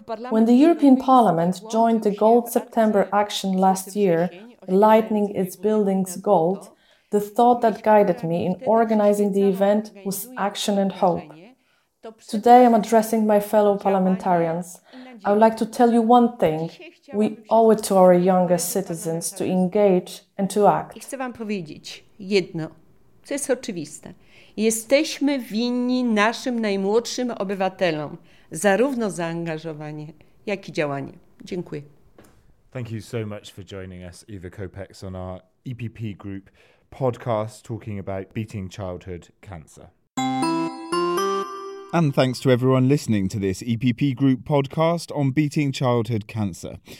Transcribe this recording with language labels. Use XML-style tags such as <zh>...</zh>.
<en>When the European Parliament joined the Gold September Action last year, lightening its buildings gold, the thought that guided me in organizing the event was action and hope. Today I'm addressing my fellow parliamentarians. I would like to tell you one thing. We owe it to our younger citizens to engage and to act.</en> <pl>Chcę wam powiedzieć jedno, co jest oczywiste. Jesteśmy winni naszym najmłodszym obywatelom zarówno zaangażowanie, jak i działanie. Dziękuję.</pl> <en>Thank you so much for joining us, Ewa Kopacz, on our EPP Group podcast talking about beating childhood cancer. And thanks to everyone listening to this EPP Group podcast on beating childhood cancer.</en>